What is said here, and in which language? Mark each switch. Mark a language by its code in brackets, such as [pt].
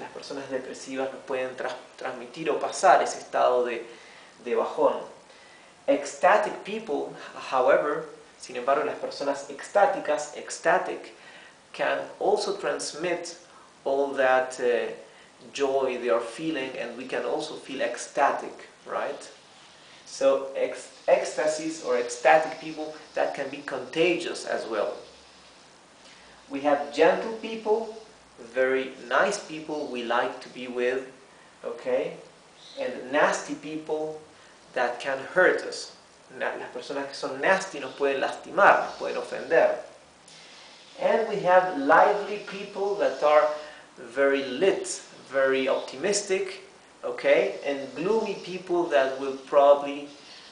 [es] Las personas depresivas nos pueden transmitir o pasar ese estado de bajón. [en] Ecstatic people, however, [es] sin embargo, las personas ecstatic, [en] can also transmit all that joy they are feeling, and we can also feel ecstatic, right? So, ecstasies or ecstatic people, that can be contagious as well. We have gentle people, very nice people we like to be with, okay? And nasty people that can hurt us. [es] Las personas que son nasty nos pueden lastimar, nos pueden ofender. [en] And we have lively people that are very lit, very optimistic, okay? And gloomy people that will probably